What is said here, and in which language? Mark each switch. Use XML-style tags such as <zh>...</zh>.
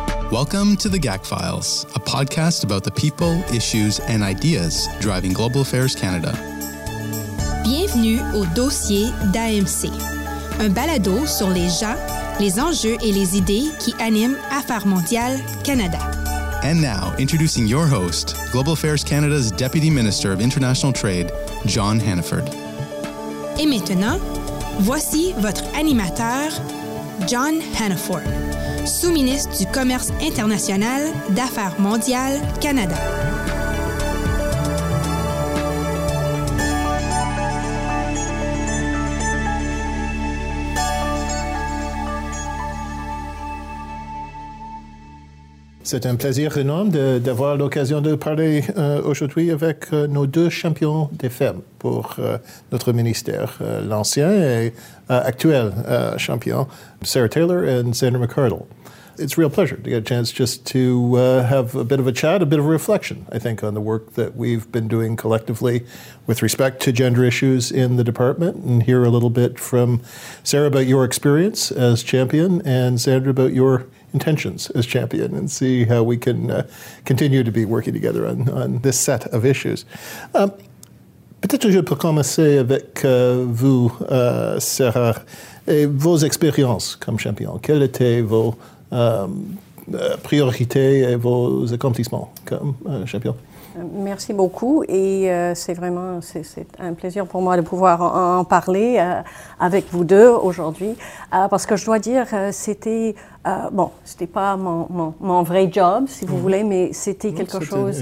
<en>Welcome to The GAC Files, a podcast about the people, issues, and ideas driving Global Affairs Canada.</en> <fr>Bienvenue au dossier d'AMC, un balado sur les gens, les enjeux et les idées qui animent Affaires mondiales Canada.</fr> <en>And now, introducing your host, Global Affairs Canada's Deputy Minister of International Trade, John Hannaford.</en> <fr>Et maintenant, voici votre animateur, John Hannaford, sous-ministre du Commerce international d'Affaires mondiales Canada. C'est un plaisir énorme d'avoir l'occasion de parler aujourd'hui avec nos deux champions des fermes pour notre ministère, l'ancien et actuel champion, Sarah Taylor and Sandra McArdle.</fr> <en>It's a real pleasure to get a chance just to have a bit of a chat, a bit of a reflection, I think, on the work that we've been doing collectively with respect to gender issues in the department, and hear a little bit from Sarah about your experience as champion and Sandra about your intentions as champion, and see how we can continue to be working together on this set of issues.</en> <fr>Peut-être je peux commencer avec vous, Sarah, et vos expériences comme champion. Quelles étaient vos priorités et vos accomplissements comme champion? Merci beaucoup et c'est vraiment un plaisir pour moi de pouvoir en parler avec vous deux aujourd'hui parce que je dois dire c'était bon, c'était pas mon vrai job si vous voulez, mais c'était quelque chose</fr>